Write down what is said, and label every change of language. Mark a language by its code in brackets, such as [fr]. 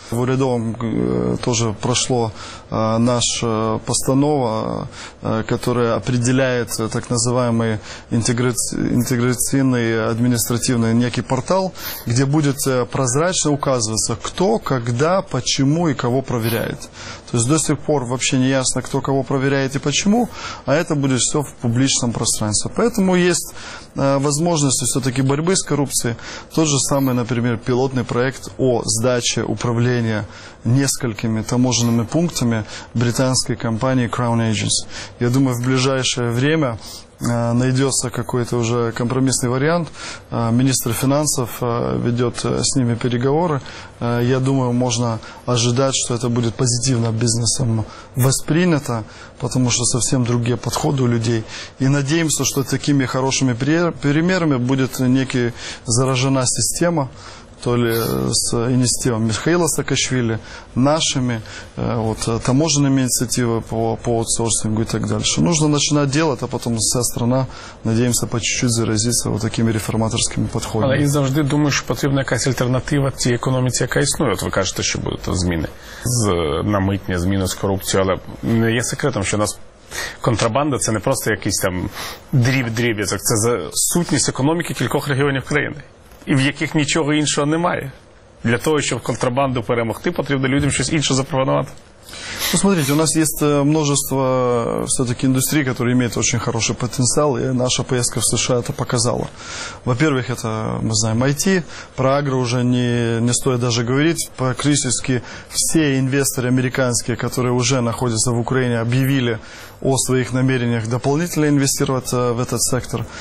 [ru] В Урядовом тоже прошло наша постанова, которая определяет так называемый интеграционный административный некий портал, где будет прозрачно указываться, кто, когда, почему и кого проверяет. То есть до сих пор вообще не ясно, кто кого проверяет и почему, а это будет все в публичном пространстве. Поэтому есть возможность все-таки борьбы с коррупцией. Тот же самый, например, пилотный проект о сдаче управления несколькими таможенными пунктами британской компании Crown Agents. Я думаю, в ближайшее время найдется какой-то уже компромиссный вариант. Министр финансов ведет с ними переговоры. Я думаю, можно ожидать, что это будет позитивно бизнесом воспринято, потому что совсем другие подходы у людей. И надеемся, что такими хорошими примерами будет некая заражена система, то ли с инициативами Михаила Саакашвили, нашими, вот, таможенными инициативами по аутсорсингу и так дальше. Нужно начинать делать, а потом вся страна, надеемся, по чуть-чуть заразиться вот такими реформаторскими подходами. [uk] Але і завжди думаю, що потрібна якась альтернатива тій економіці, яка існує. От ви кажете, що будуть зміни з намитня, зміни з корупцією, але не є секретом, що у нас контрабанда – це не просто якийсь там дріб-дріб'язок, це за сутність економіки кількох регіонів країни. І в яких нічого іншого немає. Для того, щоб контрабанду перемогти, потрібно людям щось інше запропонувати. [ru] Ну, смотрите, у нас есть множество все-таки индустрий, которые имеют очень хороший потенциал, и наша поездка в США это показала. Во-первых, это, мы знаем, IT, про агро уже не стоит даже говорить. Практически все инвесторы американские, которые уже находятся в Украине, объявили о своих намерениях дополнительно инвестировать в этот сектор.